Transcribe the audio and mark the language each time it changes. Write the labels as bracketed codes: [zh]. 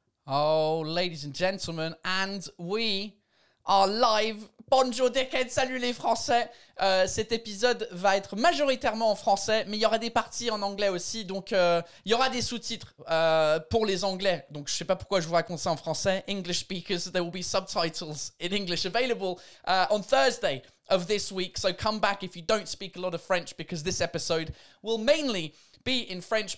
[en] Oh, ladies and gentlemen, and we are live. [fr] Bonjour, dickhead. Salut les Français. Cet épisode va être majoritairement en français, mais il y aura des parties en anglais aussi. Donc, il y aura des sous-titres pour les Anglais. Donc, je ne sais pas pourquoi je vous raconte ça en français. [en] English speakers, there will be subtitles in English available on Thursday of this week. So, come back if you don't speak a lot of French, because this episode will mainly be in French.